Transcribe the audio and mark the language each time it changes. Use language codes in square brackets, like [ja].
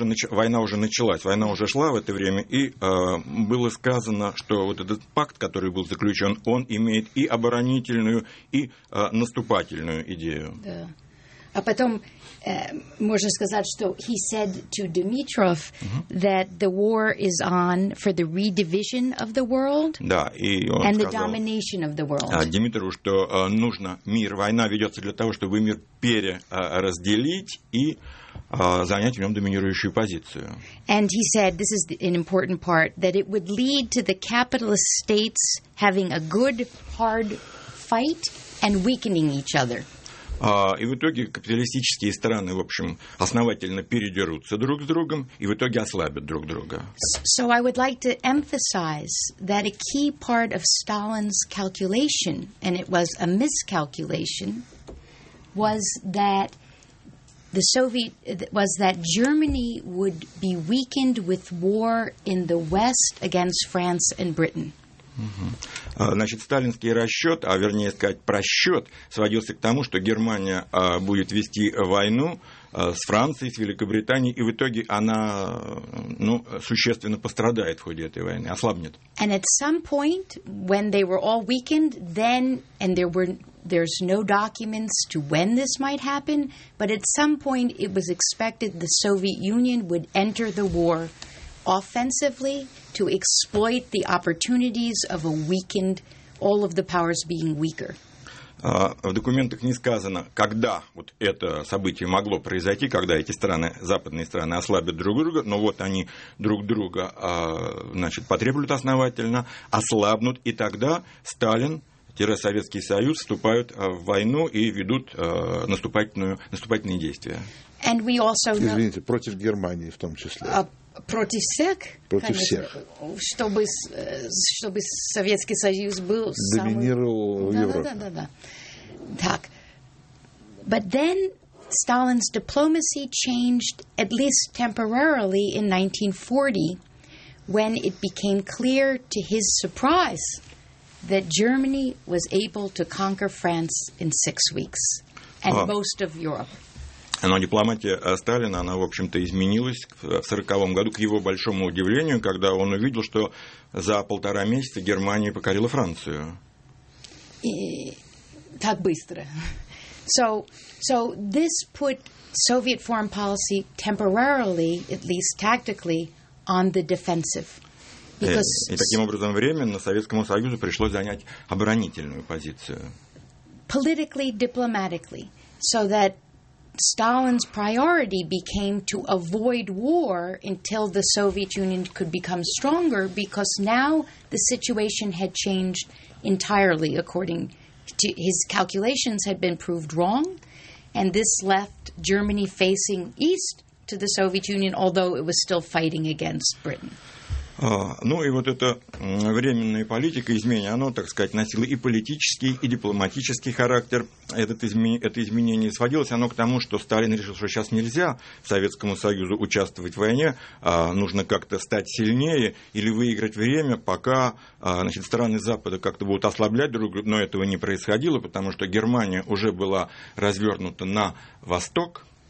[ru] Война уже началась, война уже шла в это время, и было сказано, что вот этот пакт, который был заключен, он имеет и оборонительную, и наступательную идею. Да. А потом можно сказать, что [en] he said to Dimitrov that the war is on for the redivision of the world, [ru] да, и он [en] and the domination of the world. [ru] Димитрову, что нужно мир, война ведется для того, чтобы мир переразделить и занять в нем доминирующую позицию. [en] And he said, this is an important part, that it would lead to the capitalist states having a good, hard fight and weakening each other. [ru] И в итоге капиталистические страны, в общем, основательно передерутся друг с другом и в итоге ослабят друг друга. [en] So I would like to emphasize that a key part of Stalin's calculation, and it was a miscalculation, was that the Soviet was that Germany would be weakened with war in the West against France and Britain. [ru] Значит, сталинский расчет, а вернее сказать, просчет, сводился к тому, что Германия будет вести войну с Францией, с Великобританией, и в итоге она, ну, существенно пострадает в ходе этой войны, ослабнет. [en] And at some point, when they were all weakened, then, and there's no documents to when this might happen, but at some point it was expected the Soviet Union would enter the war offensively to exploit the opportunities of a weakened, all of the powers being weaker. [ru] В документах не сказано, когда вот это событие могло произойти, когда эти страны, западные страны, ослабят друг друга, но вот они друг друга, значит, потреблют основательно, ослабнут, и тогда Сталин, Советский Союз, вступают в войну и ведут наступательные действия. [en] And we also know... [ru] Извините, против Германии в том числе. Против всех? Против, конечно, всех. Чтобы Советский Союз был самым... Доминировал в Европе. Да. Так. [en] But then Stalin's diplomacy changed at least temporarily in 1940 when it became clear to his surprise that Germany was able to conquer France in 6 weeks and most of Europe. [ru] Но дипломатия Сталина, она, в общем-то, изменилась в 40-м году к его большому удивлению, когда он увидел, что за полтора месяца Германия покорила Францию. И так быстро. [en] So this put Soviet foreign policy temporarily, at least tactically, on the defensive. [ru] И таким образом временно Советскому Союзу пришлось занять оборонительную позицию. [en] Politically, diplomatically, so that Stalin's priority became to avoid war until the Soviet Union could become stronger, because now the situation had changed entirely. According to his calculations, had been proved wrong, and this left Germany facing east to the Soviet Union, although it was still fighting against Britain. [ru] Ну и вот эта временная политика изменения, оно, так сказать, носило и политический, и дипломатический характер. Это изменение сводилось оно к тому, что Сталин решил, что сейчас нельзя Советскому Союзу участвовать в войне, нужно как-то стать сильнее или выиграть время, пока, значит, страны Запада как-то будут ослаблять друг друга, но этого не происходило, потому что Германия уже была развернута на восток.